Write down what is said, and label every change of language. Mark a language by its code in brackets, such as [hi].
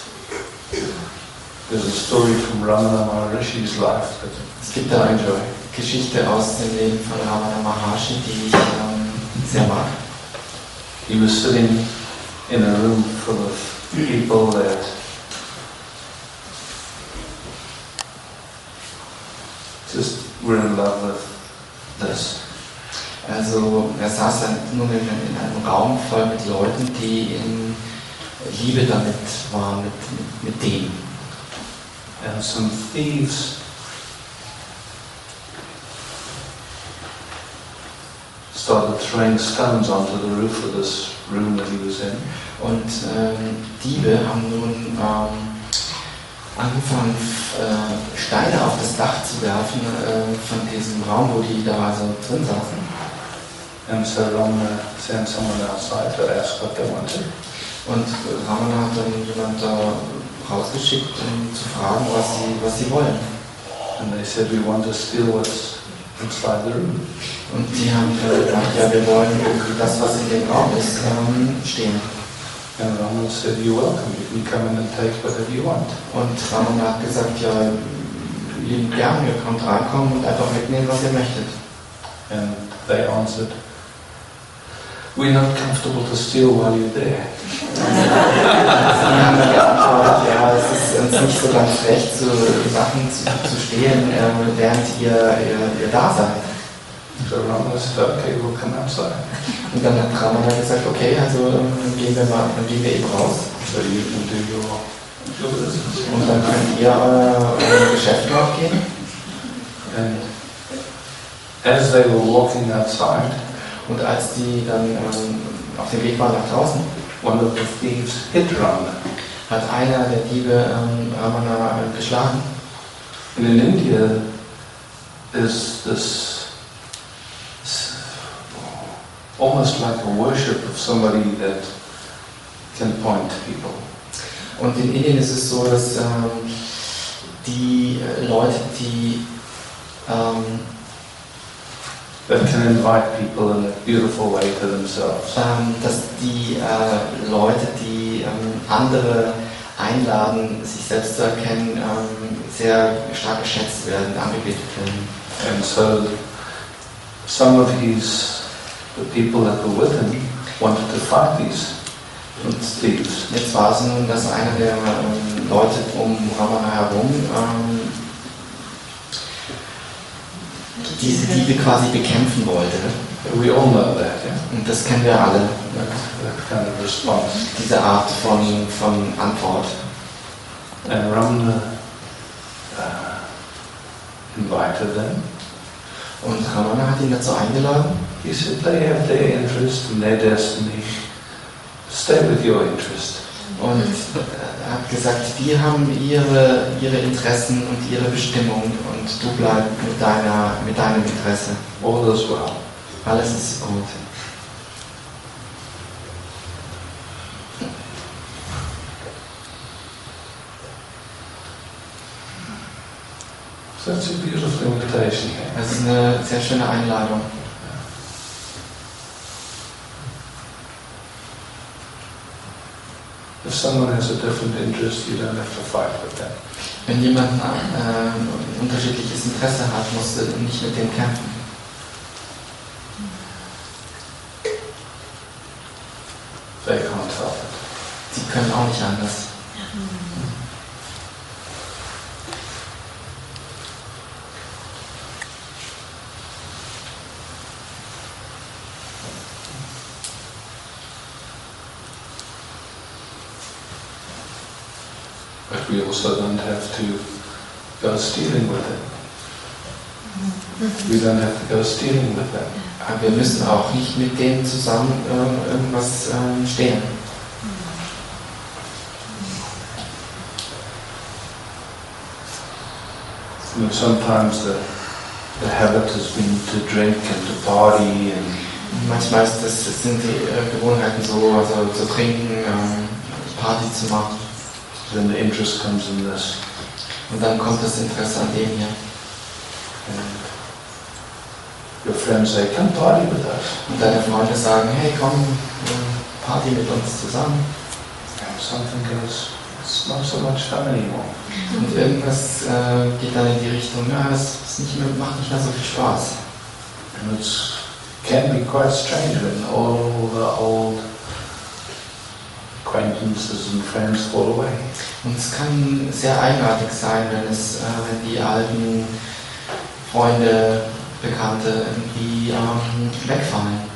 [en] There's a story from Ramana Maharshi's life. [de] Es gibt da eine Geschichte aus dem Leben von Ramana Maharshi, die ich sehr mag. [en] He was sitting in a room full of people that just were in love with this. [de] Also er saß nun in einem Raum voll mit Leuten, die in Liebe damit waren, mit dem. [en] And some thieves started throwing stones onto the roof of this room that he was in. [de] Und Diebe haben nun angefangen, Steine auf das Dach zu werfen von diesem Raum, wo die da so drin saßen. [en] And so Ramana sent someone outside to ask what they wanted. [de] Und Ramana hat dann jemanden da rausgeschickt, um zu fragen, was sie wollen. [en] And they said, we want to steal what's inside the room. [de] Und die haben gesagt, ja, wir wollen das, was in dem Raum ist, stehen. [en] And Ramana said, you're welcome, you can come in and take whatever you want. [de] Und Ramana hat gesagt, ja, lieben gern, ihr könnt reinkommen und einfach mitnehmen, was ihr möchtet. [en] And they answered, we're not comfortable to steal while you're there. [de] Sie haben geantwortet, ja, es ist uns nicht so ganz recht, so Sachen zu stehlen, während ihr da seid. [en] So Ramana said, okay, we'll come outside. [de] Und dann hat Ramana gesagt, okay, also dann gehen wir eben raus. [en] So you can do your business. [de] Und dann könnt ihr euer Geschäft nachgehen. [en] And as they were walking outside, [de] und als die dann auf dem Weg waren nach draußen, [en] one of the thieves hit Ramana. [de] Hat einer der Diebe Ramana geschlagen. [en] And in India is this almost like a worship of somebody that can point people. [de] Und in Indien ist es so, dass die Leute, die [en] that can invite people in a beautiful way to themselves. [de] Dass die Leute, die andere einladen, sich selbst zu erkennen, sehr stark geschätzt werden, angebetet werden. [en] And so some of these the people that were with him wanted to fight these thieves. [de] Jetzt war es nun, dass einer der Leute um Ramana herum diese Diebe quasi bekämpfen wollte. [en] We all know that, yeah. [de] Und das kennen wir alle. [en] That kind of response. [de] Diese Art von Antwort. [en] And Ramana invited them. [de] Und Ramana hat ihn dazu eingeladen. [en] He said, they have their interest and their destiny. Stay with your interest. [de] Und er hat gesagt, die haben ihre Interessen und ihre Bestimmung und du bleib mit deinem Interesse. [en] All is well. [de] Alles ist gut. [en] Such a beautiful invitation. [de] Das ist eine sehr schöne Einladung. [en] If someone has a different interest, you don't have to fight with them. [de] Wenn jemand ein unterschiedliches Interesse hat, musst du nicht mit dem kämpfen. [en] They can't help it. [de] Sie können auch nicht anders. [en] But we also don't have to go stealing with it. We don't have to go stealing with that. [de] Aber wir müssen auch nicht mit dem zusammen irgendwas stehlen. [en] And sometimes the habit has been to drink and to party and [de] manchmal ist das, das sind die Gewohnheiten so, also zu trinken, Party zu machen. [en] Then the interest comes in this. [de] Und dann kommt das Interesse an dem hier. [en] And your friends say, come party with us. [de] Und deine Freunde sagen, hey, komm, party mit uns zusammen. [en] And something goes, it's not so much fun anymore. [de] Und irgendwas geht dann in die Richtung, ja, es nicht mehr, macht nicht mehr so viel Spaß. [en] And it's can be quite strange when all the old acquaintances and friends fall away. [de] Und es kann sehr eigenartig sein, wenn es wenn die alten Freunde, Bekannte irgendwie wegfallen.